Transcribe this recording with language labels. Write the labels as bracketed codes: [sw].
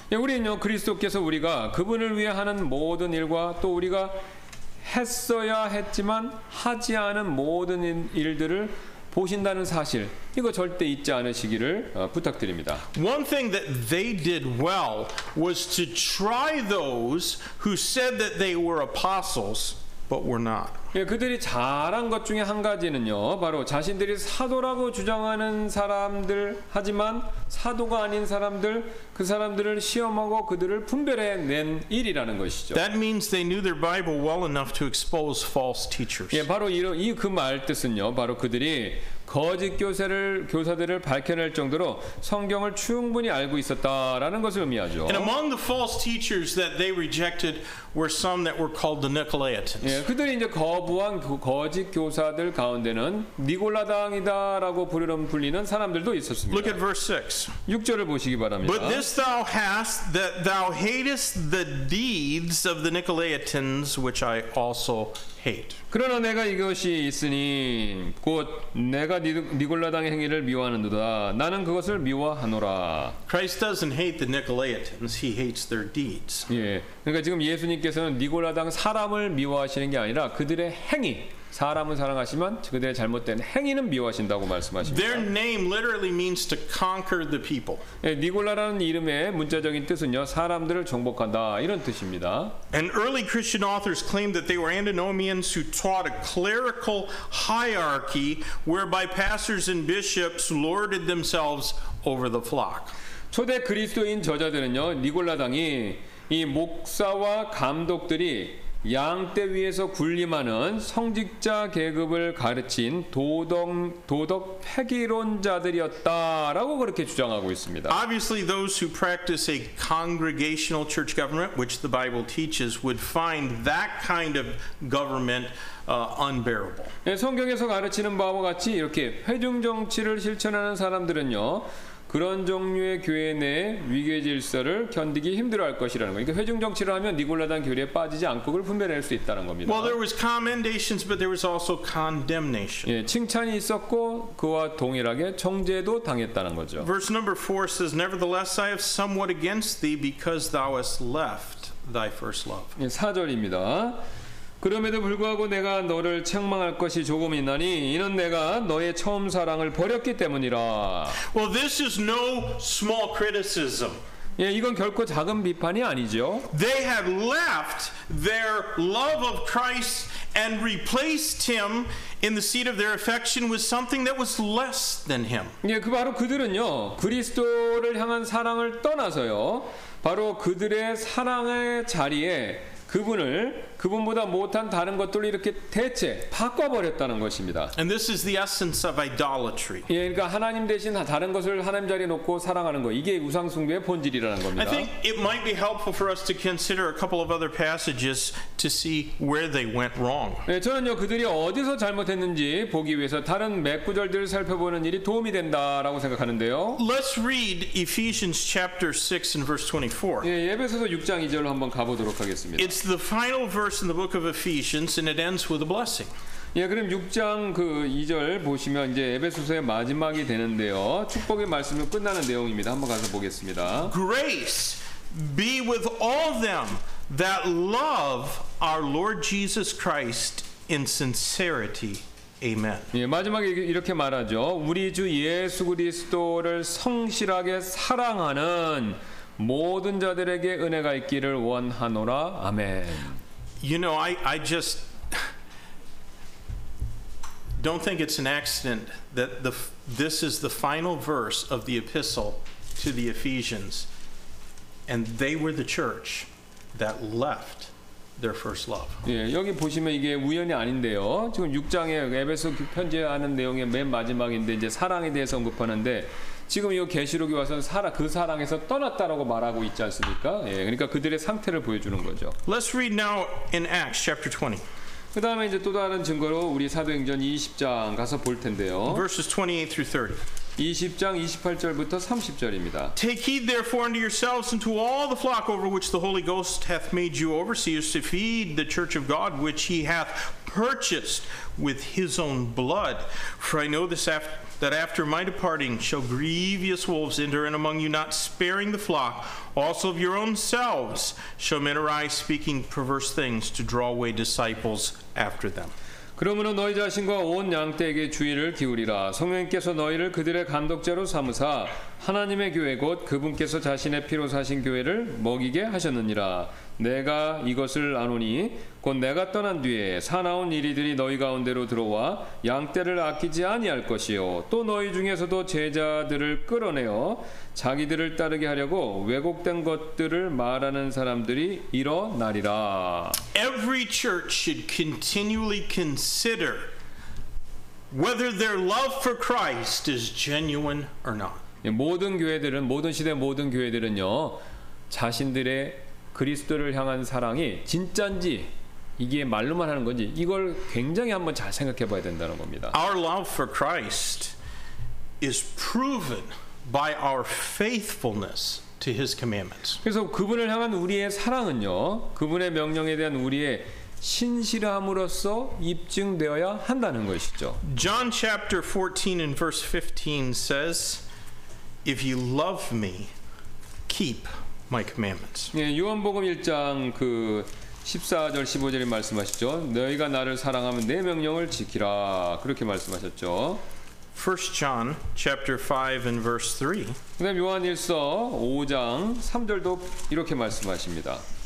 [ko] 예, 우리는요 그리스도께서 우리가 그분을 위해 하는 모든 일과 또 우리가 했어야 했지만 하지 않은 모든 일들을 보신다는 사실 이거 절대 잊지 않으시기를 부탁드립니다. [en] One thing that they did well was to try those who said that they were apostles but were not. [ko] 예, 그들이 잘한 것 중에 한 가지는요. 바로 자신들이 사도라고 주장하는 사람들 하지만 사도가 아닌 사람들 그 사람들을 시험하고 그들을 분별해 낸 일이라는 것이죠. [en] That means they knew their Bible well enough to expose false teachers. [ko] 예, 바로 이 그 말 뜻은요. 바로 그들이 거짓 교사들을 밝혀낼 정도로 성경을 충분히 알고 있었다라는 것을 의미하죠. [en] And among the false teachers that they rejected were some that were called the Nicolaitans. [ko] 예, 그들이 이제 거부한 거짓 교사들 가운데는 니골라당이다라고 불리는 사람들도 있었습니다. [en] Look at verse 6. [ko] 6절을 보시기 바랍니다. [en] But this thou hast that thou hatest the deeds of the Nicolaitans which I also hate. [ko] 그러나 내가 이것이 있으니 곧 내가 니골라당의 행위를 미워하는도다. 나는 그것을 미워하노라. [en] Christ doesn't hate the Nicolaitans. He hates their deeds. [ko] 예, 그러니까 지금 예수님께서는 니골라당 사람을 미워하시는 게 아니라 그들의 행위. 사람은 사랑하시지만 그들의 잘못된 행위는 미워하신다고 말씀하십니다. [en] Their name literally means to conquer the people. [ko] 예, 니골라라는 이름의 문자적인 뜻은요, 사람들을 정복한다 이런 뜻입니다. [en] And early Christian authors claimed that they were antinomians who taught a clerical hierarchy whereby pastors and bishops lorded themselves over the flock. [ko] 초대 그리스도인 저자들은요, 니골라당이 이 목사와 감독들이 양떼 위에서 군림하는 성직자 계급을 가르친 도덕 폐기론자들이었다라고 그렇게 주장하고 있습니다. [en] Obviously, those who practice a congregational church government, which the Bible teaches, would find that kind of government unbearable. [ko] 네, 성경에서 가르치는 바와 같이 이렇게 회중 정치를 실천하는 사람들은요. 그런 종류의 교회 내 위계 질서를 견디기 힘들어할 것이라는 거. 그러니까 회중 정치를 하면 니골라당 교리에 빠지지 않고 그걸 분별할 수 있다는 겁니다. [en] Well, there was commendations, but there was also condemnation. [ko] 예, 칭찬이 있었고 그와 동일하게 정죄도 당했다는 거죠. [en] Verse number 4 says, "Nevertheless, I have somewhat against thee because thou hast left thy first love." [ko] 예, 4절입니다. 그럼에도 불구하고 내가 너를 책망할 것이 조금 있나니 이는 내가 너의 처음 사랑을 버렸기 때문이라. [en] Well, this is no small criticism. [ko] 예, 이건 결코 작은 비판이 아니죠. [en] They had left their love of Christ and replaced him in the seat of their affection with something that was less than him. [ko] 예, 그 바로 그들은요. 그리스도를 향한 사랑을 떠나서요. 바로 그들의 사랑의 자리에 그분을 그분보다 못한 다른 것들로 이렇게 대체 바꿔 버렸다는 것입니다. [en] And this is the essence of idolatry. [ko] 예, 그러니까 하나님 대신 다른 것을 하나님 자리에 놓고 사랑하는 거 이게 우상 숭배의 본질이라는 겁니다. [en] I think it might be helpful for us to consider a couple of other passages to see where they went wrong. [ko] 예, 저는요 그들이 어디서 잘못했는지 보기 위해서 다른 몇 구절들을 살펴보는 일이 도움이 된다라고 생각하는데요. [en] Let's read Ephesians chapter 6 and verse 24. [ko] 예, 에베소서 6장 2절로 한번 가보도록 하겠습니다. [en] It's the final verse in the book of Ephesians, and it ends with a blessing. [ko] 예, 그럼 6장 그 2절 보시면 이제 에베소서의 마지막이 되는데요. 축복의 말씀으로 끝나는 내용입니다. 한번 가서 보겠습니다. [en] Grace be with all them that love our Lord Jesus Christ in sincerity. Amen. [ko] 예, 마지막에 이렇게 말하죠. 우리 주 예수 그리스도를 성실하게 사랑하는 모든 자들에게 은혜가 있기를 원하노라. 아멘. [en] You know, I just don't think it's an accident that this is the final verse of the epistle to the Ephesians, and they were the church that left their first love. [ko] 예, 여기 보시면 이게 우연이 아닌데요. 지금 6장에 에베소 편지하는 내용의 맨 마지막인데 이제 사랑에 대해서 언급하는데 지금 이 계시록이 와서는 사랑 그 사랑에서 떠났다라고 말하고 있지 않습니까? 예, 그러니까 그들의 상태를 보여주는 거죠. [en] Let's read now in Acts chapter 20. [ko] 그다음에 이제 또 다른 증거로 우리 사도행전 20장 가서 볼 텐데요. [en] Verses 28 through 30. [ko] 20장 28절부터 30절입니다. [en] Take heed therefore unto yourselves and to all the flock over which the Holy Ghost hath made you overseers to feed the church of God which he hath purchased with his own blood. For I know this that after my departing shall grievous wolves enter in among you, not sparing the flock. Also of your own selves shall men arise speaking perverse things to draw away disciples after them. [ko] 그러므로 너희 자신과 온 양떼에게 주의를 기울이라. 성령께서 너희를 그들의 감독자로 삼으사 하나님의 교회 곧 그분께서 자신의 피로 사신 교회를 먹이게 하셨느니라. 내가 이것을 아노니 곧 내가 떠난 뒤에 사나운 이리들이 너희 가운데로 들어와 양떼를 아끼지 아니할 것이요 또 너희 중에서도 제자들을 끌어내어 자기들을 따르게 하려고 왜곡된 것들을 말하는 사람들이 일어나리라. [en] Every church should continually consider whether their love for Christ is genuine or not. [ko] 모든 교회들은 모든 시대 모든 교회들은요 자신들의 그리스도를 향한 사랑이 진짠지 이게 말로만 하는 건지 이걸 굉장히 한번 잘 생각해 봐야 된다는 겁니다. [en] Our love for Christ is proven by our faithfulness to his commandments. [ko] 그래서 그분을 향한 우리의 사랑은요. 그분의 명령에 대한 우리의 신실함으로써 입증되어야 한다는 것이죠. [en] John chapter 14 and verse 15 says, "If you love me, keep my commandments." [ko] 예, 요한복음 1장 그 14절 15절에 말씀하셨죠. 너희가 나를 사랑하면 내 명령을 지키라. 그렇게 말씀하셨죠. 1 John chapter 5 and verse 3. 그다음 요한일서 5장 3절도 이렇게 말씀하십니다.